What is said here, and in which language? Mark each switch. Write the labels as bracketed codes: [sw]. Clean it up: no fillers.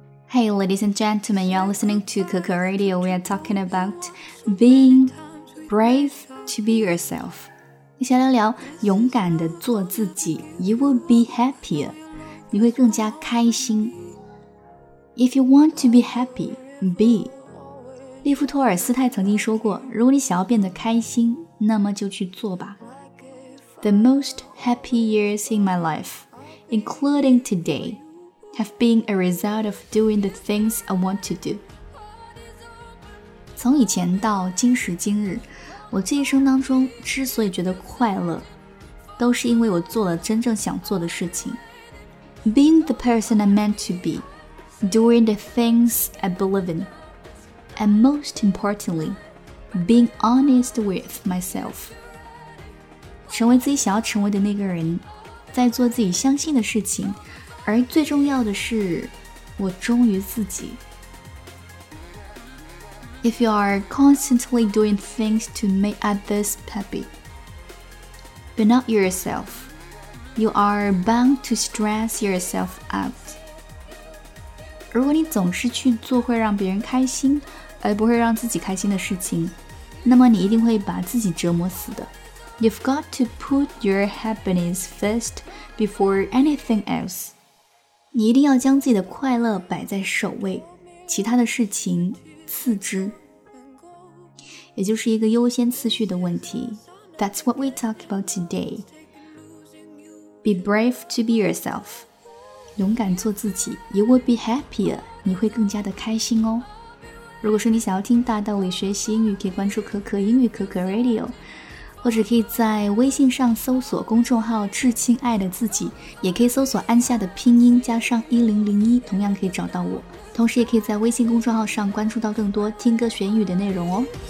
[en] Hey, ladies and gentlemen, you are listening to Coco Radio. We are talking about being brave to be yourself. [zh] 一起聊聊勇敢的做自己。 [en] You will be happier. [zh] 你会更加开心。 [en] If you want to be happy, be. [zh] 利夫托尔斯泰曾经说过，如果你想要变得开心，那么就去做吧。 [en] The most happy years in my life, including today,have been a result of doing the things I want to do. [zh] 从以前到今时今日，我这一生当中之所以觉得快乐，都是因为我做了真正想做的事情。 [en] Being the person I'm meant to be, doing the things I believe in, and most importantly, being honest with myself. [zh] 成为自己想要成为的那个人，在做自己相信的事情，而最重要的是我忠于自己。 [en] If you are constantly doing things to make others happy, but not yourself, you are bound to stress yourself out. [zh] 如果你总是去做会让别人开心而不会让自己开心的事情，那么你一定会把自己折磨死的。 [en] You've got to put your happiness first before anything else. [zh] 你一定要将自己的快乐摆在首位，其他的事情次之，也就是一个优先次序的问题。 [en] That's what we talk about today. Be brave to be yourself. [zh] 勇敢做自己， [en] You will be happier. [zh] 你会更加的开心哦。如果说你想要听大道理学习英语，可以关注可可英语可可 Radio，或者可以在微信上搜索公众号致亲爱的自己，也可以搜索安夏的拼音加上1001，同样可以找到我。同时也可以在微信公众号上关注到更多听歌学语的内容哦。